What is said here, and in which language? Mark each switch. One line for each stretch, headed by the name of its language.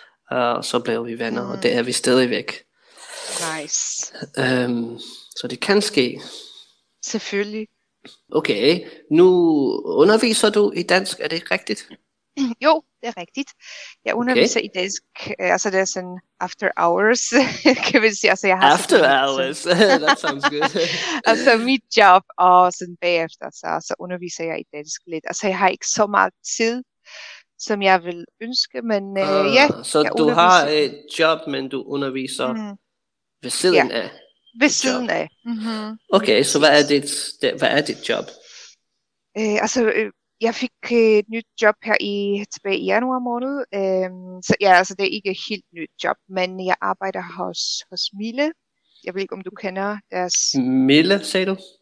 Danish: Og så blev vi venner, og det er vi stadigvæk. Nice. Så det kan ske. Selvfølgelig. Okay, nu underviser du i dansk, er det rigtigt? Jo, det er rigtigt. Jeg underviser i dansk, altså det er sådan
English: after hours,
Swedish: kan vi säga. Så
English: after hours, that sounds good.
Swedish: Alltså mitt jobb och sen bagefter så alltså, undervisar jag i dansk lite. Alltså jag har inte så mycket tid som jag vill önska, men ja.
Danish: Så du har
Swedish: ett jobb
Danish: men du underviser vid siden af? Ved siden af. Okay, så hvad er dit job? Altså, jeg fik et nyt job her tilbage i januar måned. Så ja, altså det er ikke et helt nyt job, men jeg arbejder hos Mille. Jeg ved ikke, om du kender deres... Mille, sagde du?